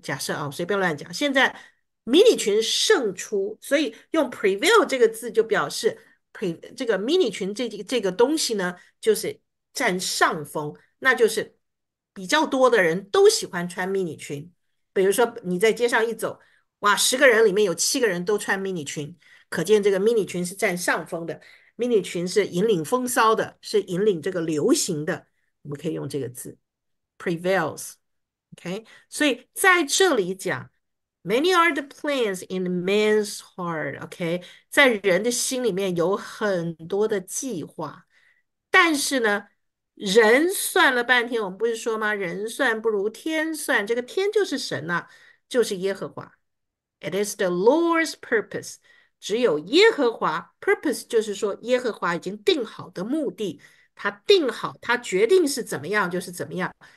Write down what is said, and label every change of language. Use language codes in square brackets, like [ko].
[zh] 假设啊，随便乱讲，现在 mini 群胜出，所以用 prevail 这个字就表示 这个 mini 群这个东西呢，就是占上风，那就是比较多的人都喜欢穿 mini 群。比如说你在街上一走，哇，10个人里面有7个人都穿 mini 群。可见这个 mini 裙是占上风的，mini 裙是引领风骚的，是引领这个流行的。我们可以用这个字 prevails，OK？、Okay? 所以在这里讲， [en] many are the plans in man's heart， [zh] OK？、Okay? 在人的心里面有很多的计划，但是呢，人算了半天，我们不是说吗？人算不如天算，这个天就是神呐、啊，就是耶和华。 [en] It is the Lord's purpose。 [zh] 只有耶和华 purpose 就是说耶和华已经定好的目的，他定好，他决定是怎么样就是怎么样。